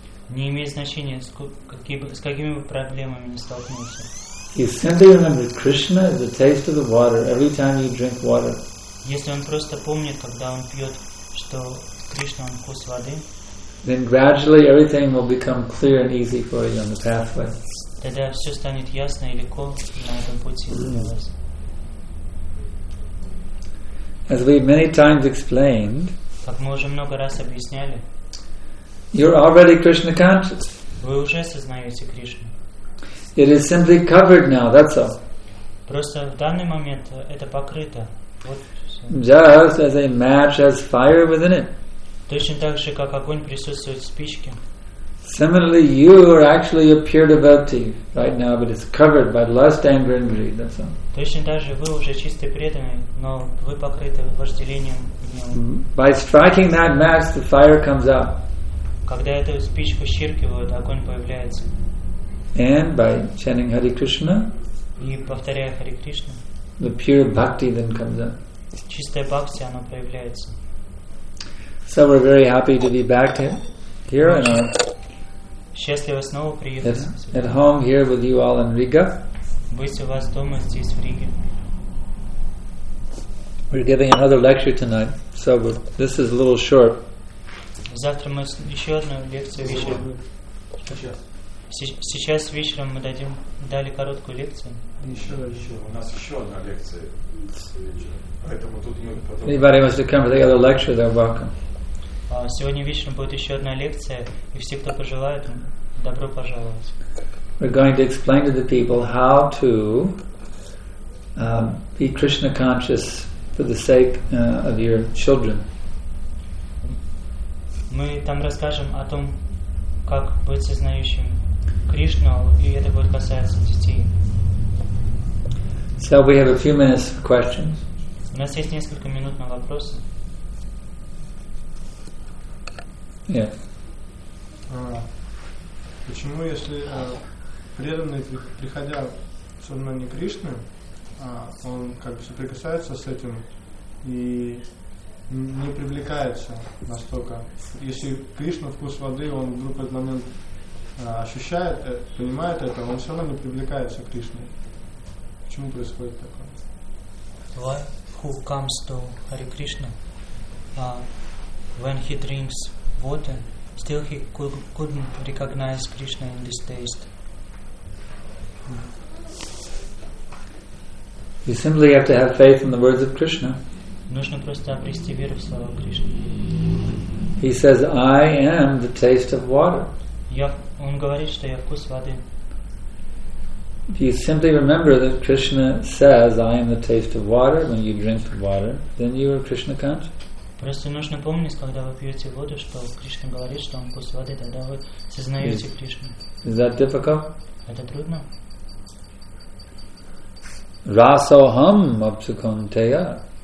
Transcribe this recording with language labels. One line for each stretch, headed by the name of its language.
Russian: Не имеет значения, с какими бы проблемами не столкнулся.
English: You simply remember Krishna is the taste of the water every time you drink water.
Russian: Если он просто помнит, когда он пьет, что Кришна он вкус воды.
English: Then gradually everything will become clear and easy for you on the pathway.
Russian: Тогда все станет ясно и легко на этом пути для вас.
English: As we many times explained,
Russian: как мы уже много раз объясняли,
English: you're already Krishna conscious.
Russian: Вы уже сознаете Кришну.
English: It is simply covered now, that's all.
Russian: Просто в данный момент это покрыто. Вот все.
English: Just as a match has fire within it.
Russian: Точно так же, как огонь присутствует в спичке.
English: Similarly, you are actually a pure devotee right now, but it's covered by lust, anger, and greed. That's all.
Russian: Точно так же вы уже чистый преданный, но вы покрыты вожделением.
English: By striking that match, the fire comes up.
Russian: Когда эту спичку щиркивают, огонь появляется.
English: And by chanting Hare Krishna,
Russian: и повторяя Hare Krishna,
English: the pure bhakti then comes up.
Russian: Чистая бхакти она появляется.
English: So we're very happy to be back here in our.
Russian: Счастливо снова приехать.
English: At home here with you all in Riga.
Russian: Быть у вас дома здесь в Риге.
English: We're giving another lecture tonight, so this is a little short.
Russian: Завтра мы еще одну лекцию вечером. Сейчас вечером мы дали короткую лекцию. Еще. У нас еще одна лекция вечером. Поэтому тут мы потом.
English: Anybody wants to come for the other lecture, they're welcome.
Russian: Сегодня вечером будет еще одна лекция, и все, кто пожелает, добро пожаловать.
English: We're going to explain to the people how to be Krishna conscious for the sake of your children.
Russian: Мы там расскажем о том, как быть сознающим Кришну, и это будет касаться детей.
English: So we have a few minutes for questions.
Russian: У нас есть несколько минут на вопросы.
English: Yeah.
Russian: Почему, если преданный, приходя в сознание Кришны, он как бы соприкасается с этим и не привлекается настолько? Если Кришна вкус воды, он вдруг в этот момент ощущает, понимает это, он все равно не привлекается к Кришне. Почему происходит такое?
English: Why? Who comes to Hare Krishna when he drinks water, still he couldn't recognize Krishna in this taste. You simply have to have faith in the words of Krishna.
Russian: Нужно просто обрести веру в слова Кришны.
English: He says, "I am the taste of water."
Russian: Он говорит, что я вкус воды.
English: If you simply remember that Krishna says, "I am the taste of water," when you drink the water, then you are Krishna conscious.
Russian: Просто нужно помнить, когда вы пьете воду, что Кришна говорит, что он вкус воды, тогда вы сознаете Кришну.
English: Is that difficult?
Russian: Это трудно.
Sanskrit: Rasoham apsukanteya.